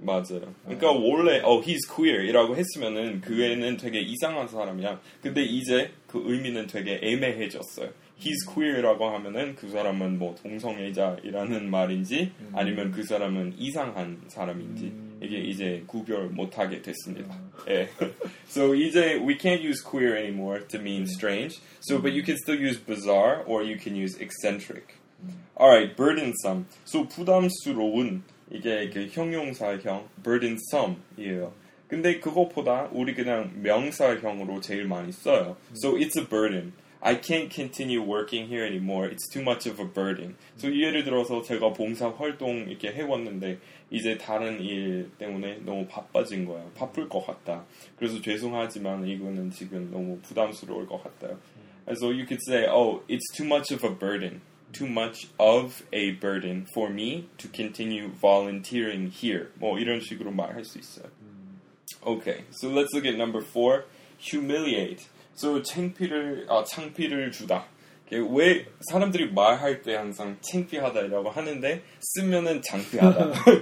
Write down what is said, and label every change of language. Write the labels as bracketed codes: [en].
[ko] 맞아요. 그러니까 원래 [en] he's queer [ko] 이라고 했으면은 그 애는 되게 이상한 사람이야. 근데 이제 그 의미는 되게 애매해졌어요. [en] He's queer라고 [ko] 하면은 그 사람은 뭐 동성애자이라는 말인지 아니면 그 사람은 이상한 사람인지 이게 이제 구별 못하게 됐습니다. 예. So 이제 [en] we can't use queer anymore to mean strange. So but you can still use bizarre or you can use eccentric. Alright, burdensome. So [ko] 부담스러운 이게 그 형용사형 burdensome이에요. 근데 그것보다 우리 그냥 명사형으로 제일 많이 써요. [en] So it's a burden. I can't continue working here anymore. It's too much of a burden. So [ko] 예를 들어서 제가 봉사 활동 이렇게 해왔는데 이제 다른 일 때문에 너무 바빠진 거예요. 바쁠 것 같다. 그래서 죄송하지만 이거는 지금 너무 부담스러울 것 같아요. [en] So you could say, oh, it's too much of a burden. Too much of a burden for me to continue volunteering here. [ko] 뭐 이런 식으로 말할 수 있어요. [en] Okay, so let's look at number four. Humiliate. [ko] So 창피를 주다. 왜 사람들이 말할 때 항상 창피하다라고 하는데 쓰면은 창피하다.